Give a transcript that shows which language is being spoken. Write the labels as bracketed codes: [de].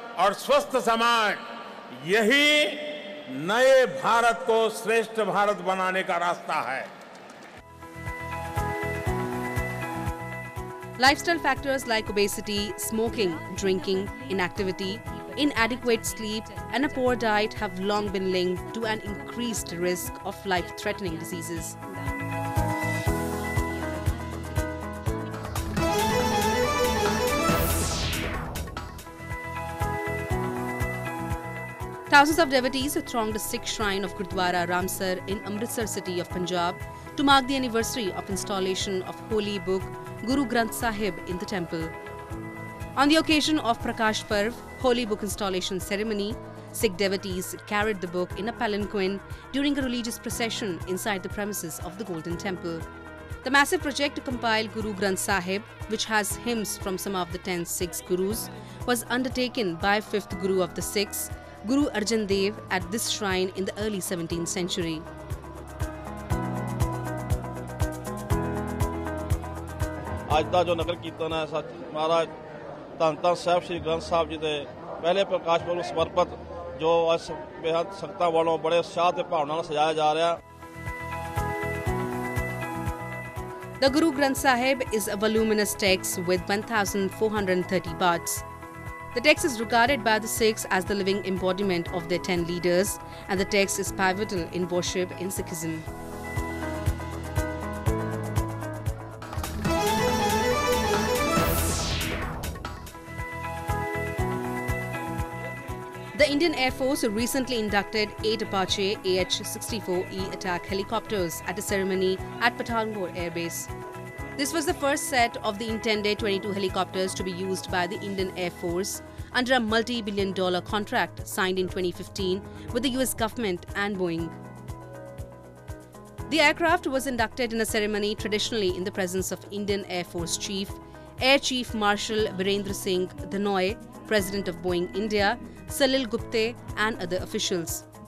[hi] और स्वस्थ समाज यही नए भारत को श्रेष्ठ भारत बनाने का रास्ता है [en] Lifestyle factors like obesity smoking drinking inactivity inadequate sleep and a poor diet have long been linked to an increased risk of life threatening diseases Thousands of devotees have thronged the Sikh shrine of Gurdwara Ramsar in Amritsar city of Punjab to mark the anniversary of installation of holy book Guru Granth Sahib in the temple. On the occasion of Prakash Parv, holy book installation ceremony, Sikh devotees carried the book in a palanquin during a religious procession inside the premises of the Golden Temple. The massive project to compile Guru Granth Sahib, which has hymns from some of the 10 Sikh Gurus, was undertaken by 5th Guru of the Sikhs, Guru Arjan Dev, at this shrine in the early 17th century. [pa] ਅੱਜ ਦਾ ਜੋ ਨਗਰ ਕੀਰਤਨ ਹੈ ਸੱਚ ਮਹਾਰਾਜ ਧੰਨ ਧੰਨ ਸਾਹਿਬ ਸ੍ਰੀ ਗ੍ਰੰਥ ਸਾਹਿਬ ਜੀ ਦੇ ਪਹਿਲੇ ਪ੍ਰਕਾਸ਼ ਪੁਰਬ ਨੂੰ ਸਮਰਪਿਤ ਜੋ ਅੱਜ ਬੇਹੱਦ ਸੰਗਤਾਂ ਵੱਲੋਂ ਬੜੇ ਉਤਸ਼ਾਹ ਤੇ ਭਾਵਨਾ ਨਾਲ ਸਜਾਇਆ ਜਾ ਰਿਹਾ [en] The Guru Granth Sahib is a voluminous text with 1430 parts the text is regarded by the Sikhs as the living embodiment of the 10 leaders and the text is pivotal in worship in Sikhism The Indian Air Force recently inducted 8 Apache AH-64E attack helicopters at a ceremony at Pathankot Air Base. This was the first set of the intended 22 helicopters to be used by the Indian Air Force under a multi-billion dollar contract signed in 2015 with the US government and Boeing. The aircraft was inducted in a ceremony traditionally in the presence of Indian Air Force Chief, Air Chief Marshal Virendra Singh Dhanoi, President of Boeing India, Salil Gupte and other officials.